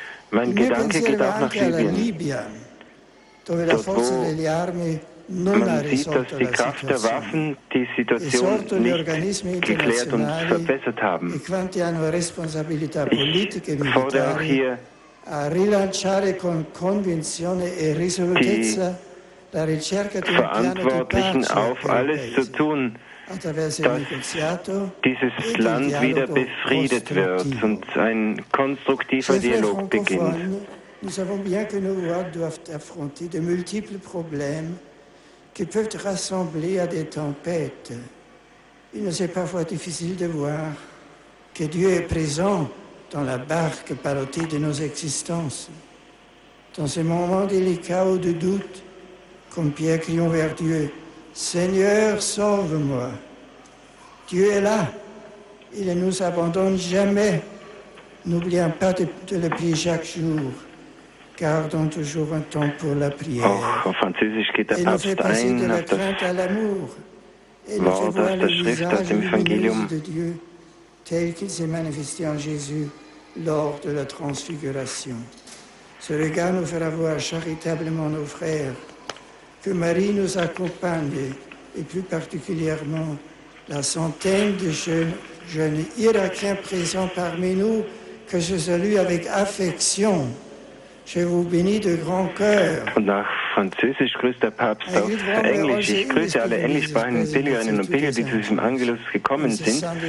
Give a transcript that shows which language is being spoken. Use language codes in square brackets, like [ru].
[de] Mein Gedanke geht auch nach Libyen. Dort, wo man sieht, dass die Kraft der Waffen die Situation nicht geklärt und verbessert haben. Ich fordere auch hier [it] a rilanciare con convinzione e risolutezza la ricerca di un piano di pace attraverso il negoziato [fr] Nous avons bien que nos voix doivent affronter de multiples problèmes qui peuvent ressembler à des tempêtes. Il nous est parfois difficile de voir que Dieu est présent dans la barque ballottée de nos existences. Dans ces moments délicats ou de doute, comme Pierre criant vers Dieu, « Seigneur, sauve-moi !» Dieu est là, il ne nous abandonne jamais, n'oubliant pas de le prier chaque jour. Gardons toujours un temps pour la prière. [de] Auch auf Französisch geht der Papst ein auf das Wort aus der Schrift, aus dem Evangelium. [fr] Tel qu'il s'est manifesté en Jésus lors de la transfiguration. Ce regard nous fera voir charitablement nos frères, que Marie nous accompagne, et plus particulièrement la centaine de jeunes Irakiens présents parmi nous, que je salue avec affection. Je vous bénis de grand cœur. [de] Und nach Französisch grüßt der Papst auf Englisch. Ich grüße alle englischsprachigen Pilgerinnen und Pilger, die zu diesem Angelus gekommen sind.